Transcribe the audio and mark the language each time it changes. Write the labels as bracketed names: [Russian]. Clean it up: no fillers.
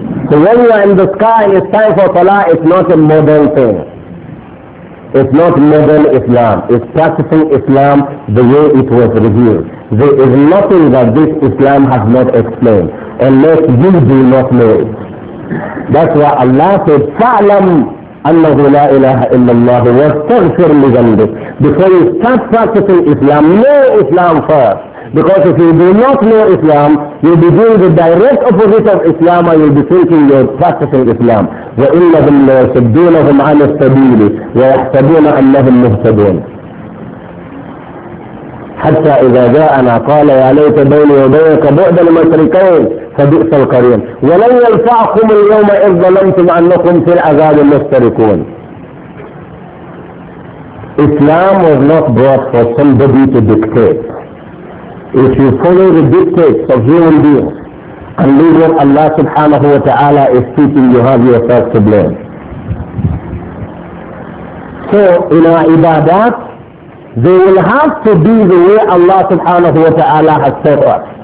[English] So when you are in the sky, it's time for Salah. It's not a modern thing. It's not modern Islam. It's practicing Islam the way it was revealed. There is nothing that this Islam has not explained, unless you do not know it. That's why Allah said, [Arabic] فَعْلَمْ أَنَّهُ لَا إِلَهَ إِلَّا اللَّهُ وَاسْتَغْفِرْ لِذَنْبِكَ. [English] Before you start practicing Islam, know Islam first. Because if you do not know Islam, you'll be doing the direct opposite of Islam, and you'll be thinking you're practicing Islam. [Arabic] وَإِنَّهُمْ لَيَصُدُّونَهُمْ عَنِ السَّبِيلِ وَيَحْسَبُونَ أَنَّهُمْ مُهْتَدُونَ. حتى إذا جاءنا قال يا ليت بيني وبينك بعد المشركين فبئس القرين. ولن ينفعكم اليوم إذ ظلمتم أنكم في العذاب مشتركون. [English] Islam was not brought for somebody to dictate. If you follow the dictates of human beings and leave what Allah subhanahu wa ta'ala is teaching, you have yourself to blame. So in our ibadat, they will have to be the way Allah subhanahu wa ta'ala has taught us.